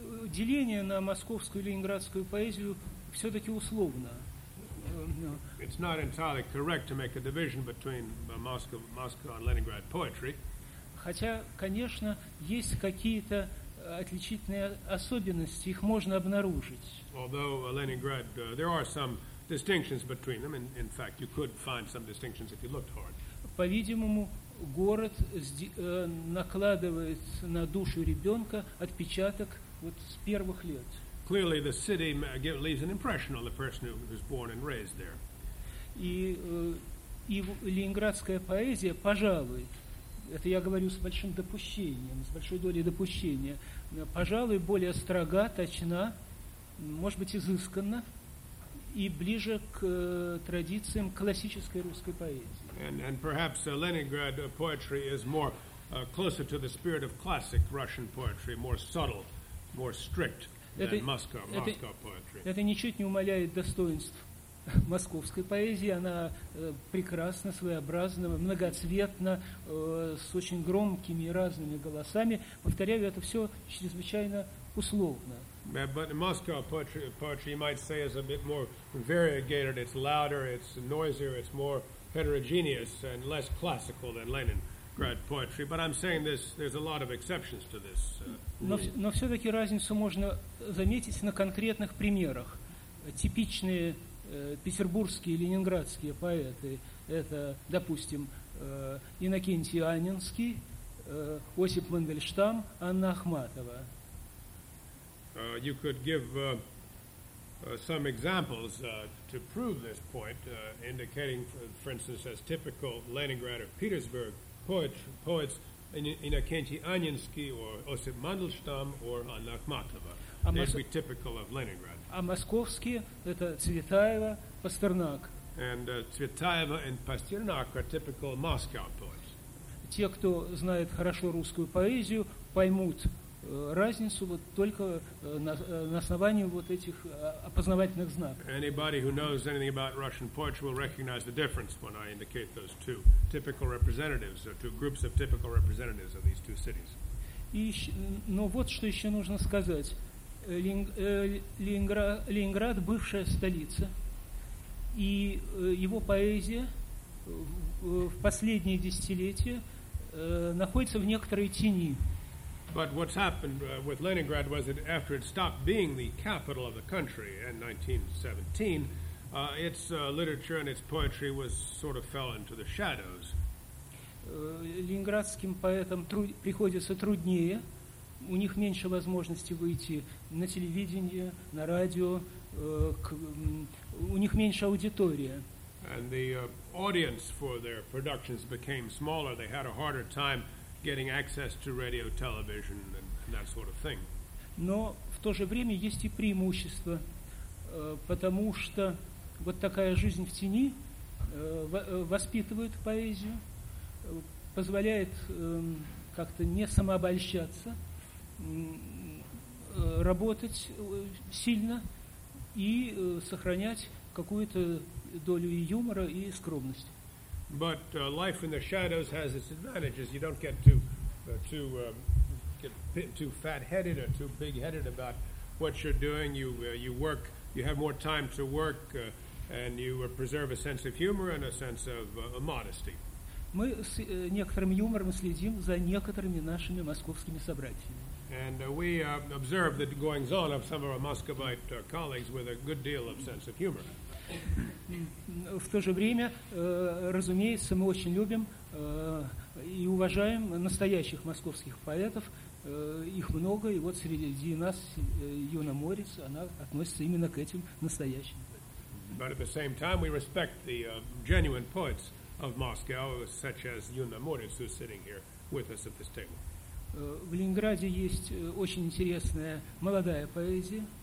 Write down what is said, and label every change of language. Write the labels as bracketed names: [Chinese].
[Russian] Деление на московскую и ленинградскую поэзию все-таки условно. [English] It's not entirely correct to make a division between Moscow and Leningrad poetry. [Russian] Хотя, конечно, есть какие-то отличительные особенности, их можно обнаружить. [English] Although Leningrad, there are some distinctions between them. In fact, you could find some distinctions if you looked hard. [Russian] По-видимому, город накладывает на душу ребенка отпечаток вот с первых лет. [English] Clearly, the city leaves an impression on the person who was born and raised there. [Russian] И ленинградская поэзия, пожалуй, это я говорю с большим допущением, с большой долей допущения, пожалуй, более строга, точна, может быть, изысканна, и ближе к традициям классической русской поэзии. [English] And perhaps Leningrad poetry is more closer to the spirit of classic Russian poetry, more subtle, more strict than Moscow poetry. [Russian] Это ничуть не умаляет достоинств московской поэзии. Она прекрасна, своеобразна, многоцветна, с очень громкими и разными голосами. Повторяю, это все чрезвычайно условно. [English] But Moscow poetry, you might say, is a bit more variegated. It's louder, it's noisier, it's more heterogeneous and less classical than Leningrad poetry. But I'm saying this, there's a lot of exceptions to this. [Russian] Но все-таки разницу можно заметить на конкретных примерах. Типичные петербургские и ленинградские поэты – это, допустим, Иннокентий Анинский, Осип Мандельштам, Анна Ахматова. [English] You could give some examples to prove this point, indicating, for instance, as typical Leningrad or Petersburg poets, Иннокентий Анинский or Осип Мандельштам or Анна Ахматова. They'd be typical of Leningrad. [Russian] А московские – это Цветаева, Пастернак. [English] And Цветаева and Pasternak are typical Moscow poets. [Russian] Те, кто знает хорошо русскую поэзию, поймут разницу вот только на основании вот этих опознавательных знаков. [English] Anybody who knows anything about Russian poetry will recognize the difference when I indicate those two typical representatives, or two groups of typical representatives of these two cities. [Russian] Но вот что еще нужно сказать. Ленинград – бывшая столица, и его поэзия в последние десятилетия находится в некоторой тени. [English] But what's happened with Leningrad was that after it stopped being the capital of the country in 1917, its literature and its poetry was sort of fell into the shadows. [Russian] Ленинградским поэтам приходится труднее. У них меньше возможности выйти на телевидение, на радио, у них меньше аудитория. [English] And the audience for their productions became smaller. They had a harder time getting access to radio, television, and that sort of thing. [Russian] Но в то же время есть и преимущество, потому что вот такая жизнь в тени воспитывает поэзию, позволяет как-то не самообольщаться, работать сильно и сохранять какую-то долю и юмора, и скромности. [English] But life in the shadows has its advantages. You don't get too fat-headed or too big-headed about what you're doing. You work, you have more time to work, and you preserve a sense of humor and a sense of modesty. [Russian] Мы с некоторым юмором следим за некоторыми нашими московскими собратьями. [English] And we observe the goings-on of some of our Muscovite colleagues with a good deal of sense of humor. [Russian] В то же время, разумеется, мы очень любим и уважаем настоящих московских поэтов. Их много, и вот среди нас Юна Морец, она относится именно к этим настоящим. [English] But at the same time, we respect the genuine poets of Moscow, such as Юна Морец, who's sitting here with us at this table. [Russian] В Ленинграде есть очень интересная молодая поэзия.